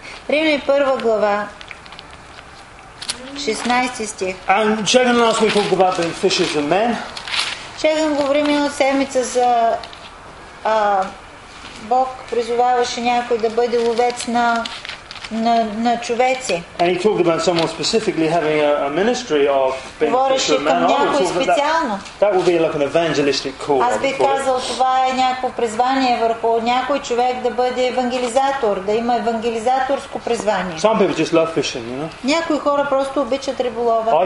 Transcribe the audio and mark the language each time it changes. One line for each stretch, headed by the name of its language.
Bulgarian: Римляни първа глава, 16 стих.
English: And Shagan last week talked about being fishers and men.
Bulgarian: Shagan говори миналата седмица за Бог призоваваше някой да бъде ловец на на човеци.
English: And he talked about someone specifically having a ministry of being
Bulgarian: Говореше към някой специално.
English: That would be like an evangelistic call.
Bulgarian: Аз би казал, това е някакво призвание върху някой човек да бъде евангелизатор, да има евангелизаторско призвание.
English: Some people just love fishing, you know?
Bulgarian: Някои хора просто обичат риболова.